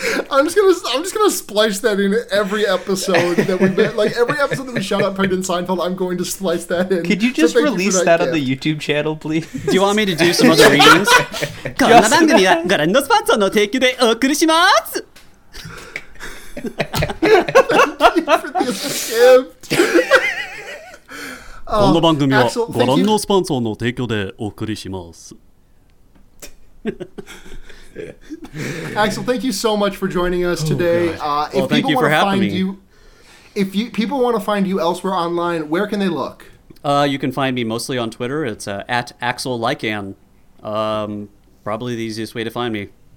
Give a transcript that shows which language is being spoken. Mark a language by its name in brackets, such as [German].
[English] I'm just gonna splice that in every episode that we met. Like every episode that we shout out Pregnant Seinfeld, I'm going to splice that in. Could you just release that on the YouTube channel, please? Do you want me to do some other readings? [Japanese] この番組はご覧のスポンサーの提供でお送りします。この番組はご覧のスポンサーの提供でお送りします。 [English] Axel, thank you so much for joining us today. Thank you for having me. If you people want to find you elsewhere online, where can they look? You can find me mostly on Twitter. It's at Axel Lycan. Probably the easiest way to find me.